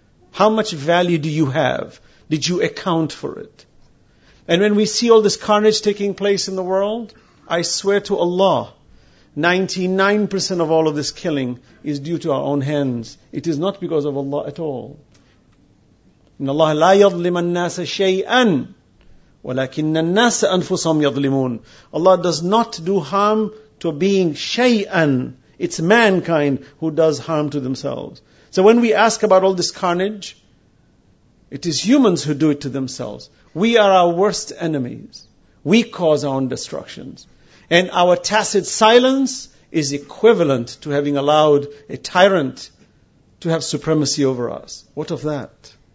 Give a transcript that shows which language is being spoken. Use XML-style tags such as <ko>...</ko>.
<en>How much value do you have? Did you account for it? And when we see all this carnage taking place in the world, I swear to Allah, 99% of all of this killing is due to our own hands. It is not because of Allah at all.</en> <ar>إن الله لا يظلم الناس شيئاً ولكن الناس أنفسهم يظلمون.</ar> <en>Allah does not do harm to a being</en> <ar>شيئاً.</ar> <en>It's mankind who does harm to themselves. So when we ask about all this carnage, it is humans who do it to themselves. We are our worst enemies. We cause our own destructions. And our tacit silence is equivalent to having allowed a tyrant to have supremacy over us. What of that?</en>